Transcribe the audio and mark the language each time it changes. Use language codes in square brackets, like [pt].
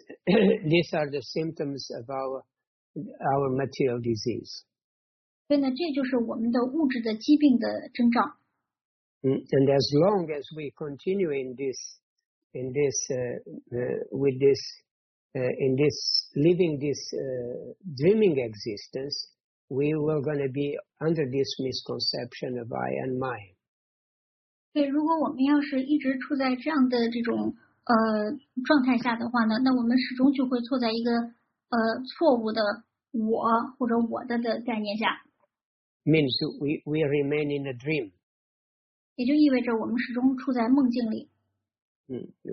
[en] These are the symptoms of our material disease. [zh] 所以呢，这就是我们的物质的疾病的征兆。 [en] And as long as we continue dreaming existence, we will going to be under this misconception of I and mine. [zh] 对，如果我们要是一直处在这样的这种状态下的话呢，那我们始终就会错在一个错误的我或者我的概念下。 [en] Means we remain in a dream. [zh] 也就意味着我们始终处在梦境里。